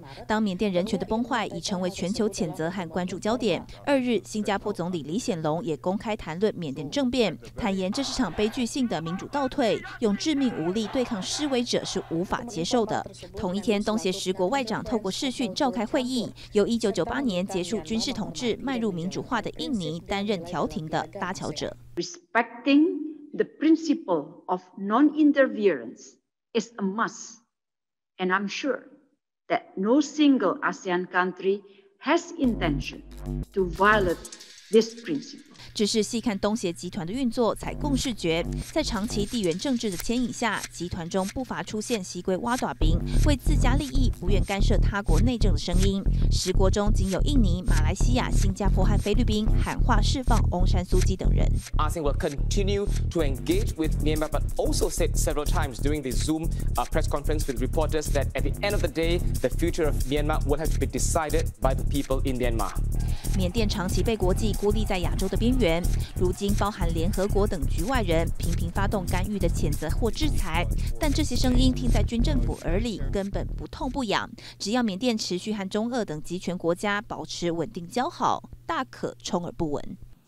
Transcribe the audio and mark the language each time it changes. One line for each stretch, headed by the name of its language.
Chinese: 当缅甸人权的崩坏已成为全球谴责和关注焦点，二日，新加坡总理李显龙也公开谈论缅甸政变，坦言这是场悲剧性的民主倒退，用致命武力对抗示威者是无法接受的。同一天，东协十国外长透过视讯召开会议，由1998年结束军事统治、迈入民主化的印尼担任调停的搭桥者。
English: Respecting the principle of non-interference is a must. And I'm sure that no single ASEAN country has intention to violate this principle.
Chinese: 只是细看东协集团的运作才共识觉，在长期地缘政治的牵引下，集团中不乏出现习规挖爪兵，为自家利益不愿干涉他国内政的声音。十国中仅有印尼、马来西亚、新加坡和菲律宾喊话释放翁山苏姬等人。
English: ASEAN will continue to engage with Myanmar, but also said several times during the Zoom press conference with reporters that at the end of the day, the future of Myanmar will have to be decided by the people in Myanmar.
Chinese: 缅甸长期被国际孤立在亚洲的边缘。如今包含联合国等局外人频频发动干预的谴责或制裁，但这些声音听在军政府耳里根本不痛不痒。只要缅甸持续和中俄等集权国家保持稳定交好，大可充耳不闻。